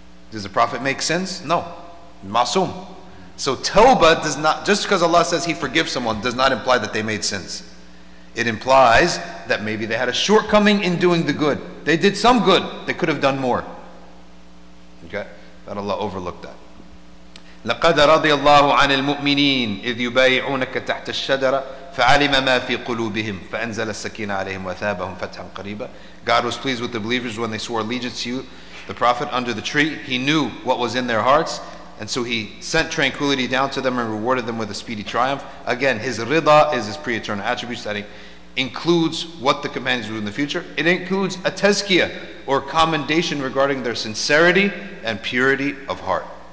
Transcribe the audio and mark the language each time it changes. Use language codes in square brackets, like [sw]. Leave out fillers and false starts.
[en] Does the Prophet make sins? No. Masum. So tawbah does not, just because Allah says he forgives someone, does not imply that they made sins. It implies that maybe they had a shortcoming in doing the good. They did some good. They could have done more. Okay? That Allah overlooked that. [ar] لقد رضي الله عن المؤمنين إذ يبايعونك تحت الشجرة فعلم ما في قلوبهم فأنزل السكينة عليهم وثابهم فتحا قريبا. [en] God was pleased with the believers when they swore allegiance to you, the Prophet, under the tree. He knew what was in their hearts, and so he sent tranquility down to them and rewarded them with a speedy triumph. Again, his rida is his pre-eternal attributes that includes what the companions will do in the future. It includes a tazkiyah or commendation regarding their sincerity and purity of heart.